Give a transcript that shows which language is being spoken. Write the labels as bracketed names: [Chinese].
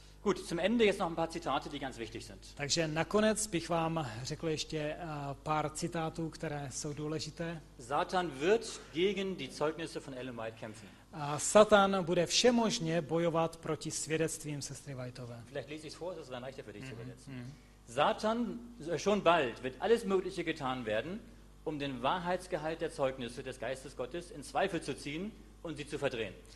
[German] Gut, zum Ende jetzt noch ein paar Zitate, die ganz wichtig sind. [Czech] Takže nakonec bych vám řekl ještě pár citátů, které jsou důležité. [German] Satan wird gegen die Zeugnisse von Ellen White kämpfen. [Czech] Satan bude všemožně bojovat proti svědectvím sestry Whiteové. [German] Vielleicht lese ich es vor, es ist dann leichter für dich zu übersetzen. Satan, schon bald wird alles Mögliche getan werden, um den Wahrheitsgehalt der Zeugnisse des Geistes Gottes in Zweifel zu ziehen und sie zu verdrehen.